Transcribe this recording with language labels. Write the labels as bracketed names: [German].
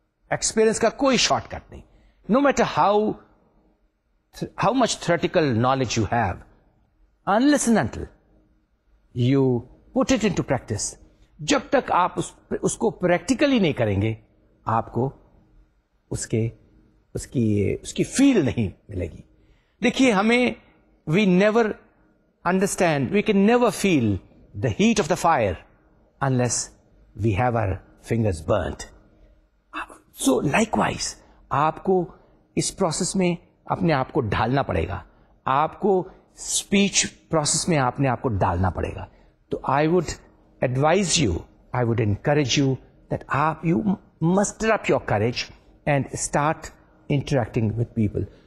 [Urdu] Experience کا کوئی short cut نہیں. [English] no matter how much theoretical knowledge you have, unless and until you put it into practice, [Urdu] جب تک آپ اس کو پریکٹیکلی نہیں کریں گے آپ کو اس کی فیل نہیں ملے گی. دیکھیے ہمیں, [English] We never understand, we can never feel the heat of the fire unless we have our fingers burned. [Urdu] So like wise آپ کو اس پروسیس میں اپنے آپ کو ڈھالنا پڑے گا, آپ کو اسپیچ پروسیس میں آپ نے آپ کو ڈالنا پڑے گا. [English] تو I would advise you, I would encourage you that آپ you muster up your courage and start interacting with people.